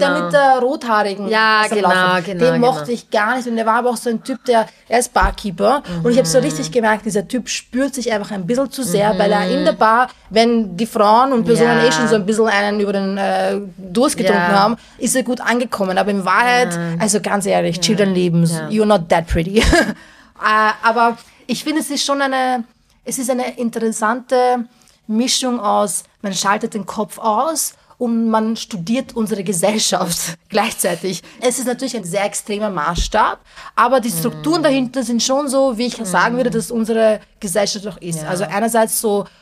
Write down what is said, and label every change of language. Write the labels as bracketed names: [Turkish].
[German] der mit der Rothaarigen. Ja, genau. Den mochte ich gar nicht. Und der war aber auch so ein Typ, er ist Barkeeper. Und ich habe so richtig gemerkt, dieser Typ spürt sich einfach ein bisschen zu sehr, weil er in der Bar, wenn die Frauen und Personen schon so ein bisschen einen über den Durst getrunken haben, ist er gut angekommen. Aber in Wahrheit, also ganz ehrlich, Children leben, [English] you're not that pretty. [German] aber ich finde, es ist schon eine... Es ist eine interessante Mischung aus, man schaltet den Kopf aus und man studiert unsere Gesellschaft gleichzeitig. Es ist natürlich ein sehr extremer Maßstab, aber die Strukturen dahinter sind schon so, wie ich sagen würde, dass unsere Gesellschaft doch ist. Ja. Also einerseits so